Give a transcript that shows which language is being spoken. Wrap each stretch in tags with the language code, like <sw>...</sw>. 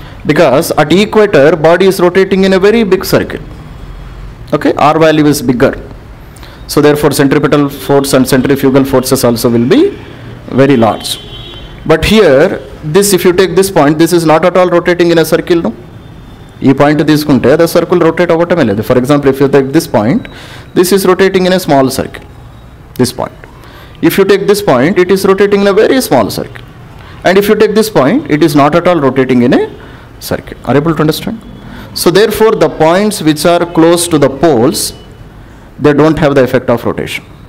<en>Because at equator body is rotating in a very big circle. Okay, r value is bigger, so therefore centripetal force and centrifugal forces also will be very large. But here this, if you take this point, this is not at all rotating in a circle, no?</en> <te>ఈ point తీసుకుంటే the circle rotate అవ్వటమే లేదు.</te> <en>For example, if you take this point, this is rotating in a small circle, this point. If you take this point, it is rotating in a very small circle. And if you take this point, it is not at all rotating in a circle. Are you able to understand? So therefore, the points which are close to the poles, they don't have the effect of rotation.</en>